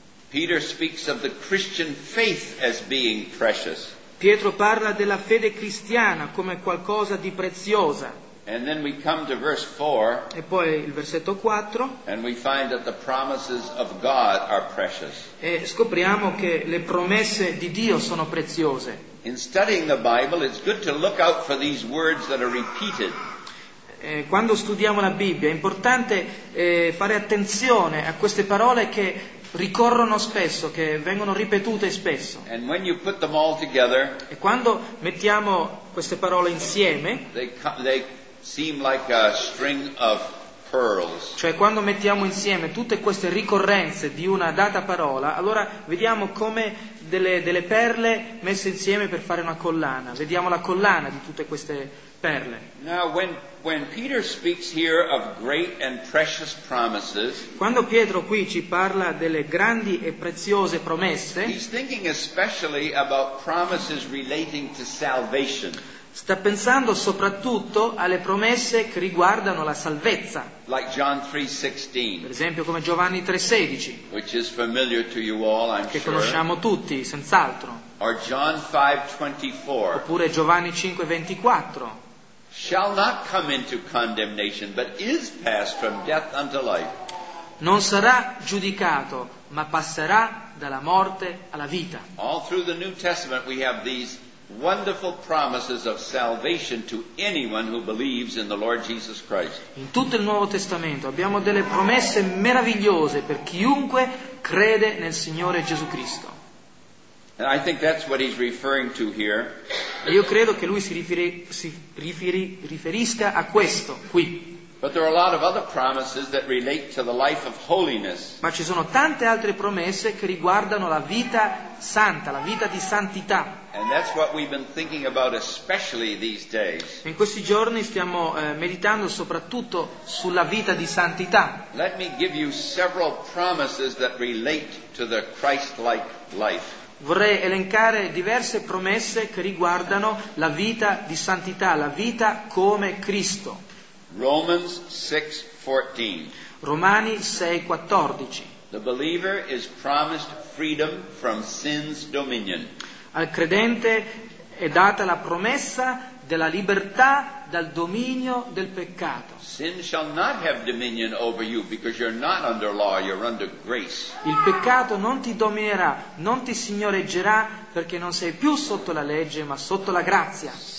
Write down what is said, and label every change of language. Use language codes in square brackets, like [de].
[en] Peter speaks of the Christian faith as being precious. [it] Pietro parla della fede cristiana come qualcosa di preziosa. [en] And then we come to verse 4, [it] e poi il versetto 4. [en] And we find that the promises of God are precious. [it] E scopriamo che le promesse di Dio sono preziose. [en] In studying the Bible, it's good to look out for these words that are repeated. [it] Quando studiamo la Bibbia è importante fare attenzione a queste parole che ricorrono spesso, che vengono ripetute spesso. [en] And when you put them all together, [it] e quando mettiamo queste parole insieme, [en] they seem like a string of pearls. [it] Cioè quando mettiamo insieme tutte queste ricorrenze di una data parola, allora vediamo come delle perle messe insieme per fare una collana. Vediamo la collana di tutte queste perle. [en] Now when Peter speaks here of great and precious promises, [it] quando Pietro qui ci parla delle grandi e preziose promesse, [en] he's thinking especially about promises relating to salvation. [it] Sta pensando soprattutto alle promesse che riguardano la salvezza. [en] Like John 3:16. [it] Per esempio come Giovanni 3:16. [en] Which is familiar to you all, I'm sure. [it] Che conosciamo tutti, senz'altro. [en] Or John 5:24. [it] Oppure Giovanni 5:24. [en] Shall not come into condemnation, but is passed from death unto life. [it] Non sarà giudicato, ma passerà dalla morte alla vita. [en] All through the New Testament we have these wonderful promises of salvation to anyone who believes in the Lord Jesus Christ. [it] In tutto il Nuovo Testamento abbiamo delle promesse meravigliose per chiunque crede nel Signore Gesù Cristo. [en] And I think that's what he's referring to here. [it] E io credo che lui si riferisca a questo qui. [en] But there are a lot of other promises that relate to the life of holiness. [it] Ma ci sono tante altre promesse che riguardano la vita santa, la vita di santità. [en] And that's what we've been thinking about especially these days. [it] In questi giorni stiamo meditando soprattutto sulla vita di santità. [en] Let me give you several promises that relate to the Christ-like life. [it] Vorrei elencare diverse promesse che riguardano la vita di santità, la vita come Cristo. [en] Romans 6:14. [it] Romani 6:14. [en] The believer is promised freedom from sin's dominion. [it] Al credente è data la promessa della libertà dal dominio del peccato. [en] Sin shall not have dominion over you because you're not under law, you're under grace. [it] Il peccato non ti dominerà, non ti signoreggerà perché non sei più sotto la legge ma sotto la grazia.